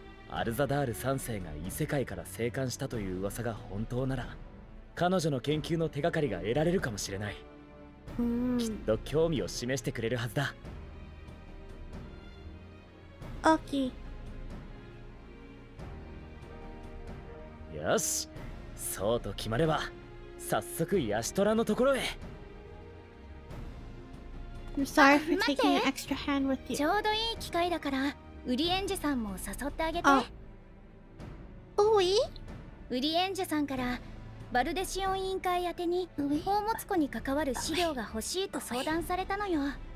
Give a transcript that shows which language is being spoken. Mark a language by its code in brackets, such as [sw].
[ja] アルザダール3世が異世界から生還したという噂が本当なら、彼女の研究の手がかりが得られるかもしれない。きっと興味を示してくれるはずだ。オッキー。よし、そうと決まれば、早速ヤシトラのところへ。 [en] I'm sorry for taking an extra hand with you. [ja] ちょうどいい機会だから、ウリエンジェさんも誘ってあげて。おい？ウリエンジェさんから、バルデシオン委員会宛に、宝物庫に関わる資料が欲しいと相談されたのよ。